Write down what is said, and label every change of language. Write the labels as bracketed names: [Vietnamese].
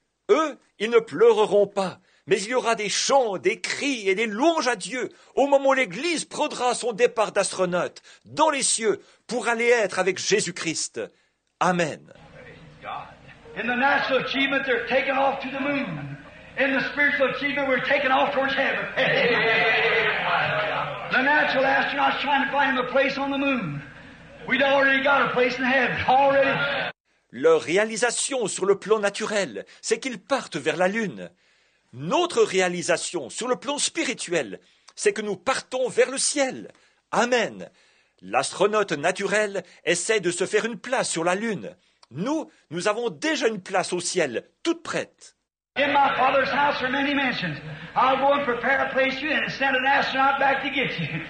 [French] Eux, ils ne pleureront pas, mais il y aura des chants, des cris et des louanges à Dieu au moment où l'Église prendra son départ d'astronaute dans les cieux pour aller être avec Jésus-Christ. Amen. [English] In the national achievement, they're taking off to the moon. In the spiritual achievement, we're taking off towards heaven. The natural astronauts trying to find a place on the moon. We'd already got a place in heaven. Already. [French] Leur réalisation sur le plan naturel, c'est qu'ils partent vers la Lune. Notre réalisation sur le plan spirituel, c'est que nous partons vers le ciel. Amen. L'astronaute naturel essaie de se faire une place sur la Lune. Nous, nous avons déjà une place au ciel, toute prête. [English] In my father's house are many mansions. I'll go and prepare a place for you and send an astronaut back to get you.